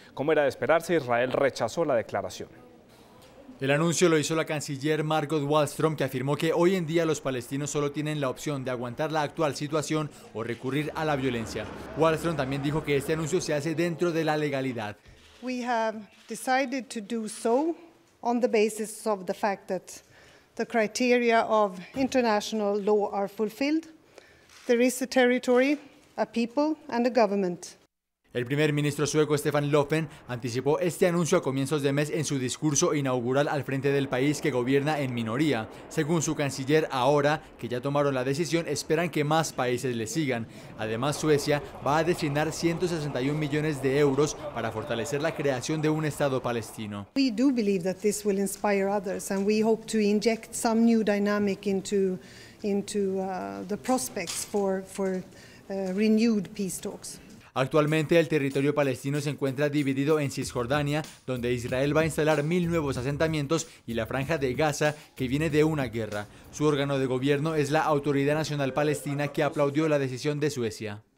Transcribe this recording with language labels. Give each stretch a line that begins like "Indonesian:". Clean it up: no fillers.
Spanish: Como era de esperarse, Israel rechazó la declaración. El anuncio lo hizo la canciller Margot Wallström, que afirmó que hoy en día los palestinos solo tienen la opción de aguantar la actual situación o recurrir a la violencia. Wallström también dijo que este anuncio se hace dentro de la legalidad.
English: We have decided to do so on the basis of the fact that the criteria of international law are fulfilled. There is a territory, a people, and a government.
Spanish: El primer ministro sueco Stefan Löfven anticipó este anuncio a comienzos de mes en su discurso inaugural al frente del país que gobierna en minoría. Según su canciller, ahora que ya tomaron la decisión, esperan que más países le sigan. Además, Suecia va a destinar 161 millones de euros para fortalecer la creación de un Estado palestino.
English: We do believe that this will inspire others and we hope to inject some new dynamic into the prospects for renewed peace talks.
Spanish: Actualmente el territorio palestino se encuentra dividido en Cisjordania, donde Israel va a instalar 1000 nuevos asentamientos, y la franja de Gaza, que viene de una guerra. Su órgano de gobierno es la Autoridad Nacional Palestina, que aplaudió la decisión de Suecia.